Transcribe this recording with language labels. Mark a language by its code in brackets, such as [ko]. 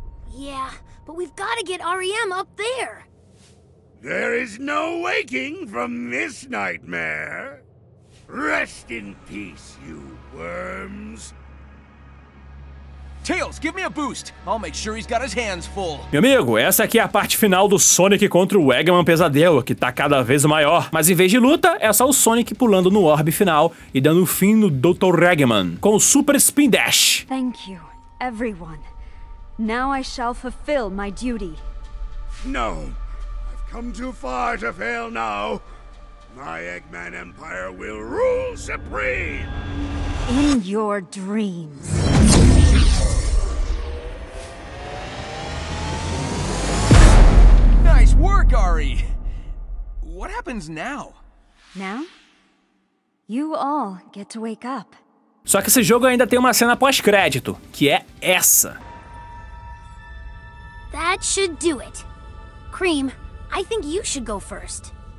[en] Yeah, but we've got to get REM up there. There is no waking from this nightmare. Rest in peace, you worms. Tails, give me a boost. I'll make sure he's got his hands full. [pt] Meu amigo, essa aqui é a parte final do Sonic contra o Eggman Pesadelo, que tá cada vez maior. Mas em vez de luta, é só o Sonic pulando no orbe final e dando fim no Dr. Eggman com o Super Spin Dash. [en] Thank you, everyone. Now I shall fulfill my duty. No. I've come too far to fail now. My Eggman Empire will rule supreme. In your dreams. Work, Ari! What happens now? Now? You all get to wake up. [pt] Só que esse jogo ainda tem uma cena pós-crédito, que é essa. [en] That should do it. Cream, I think you should go first.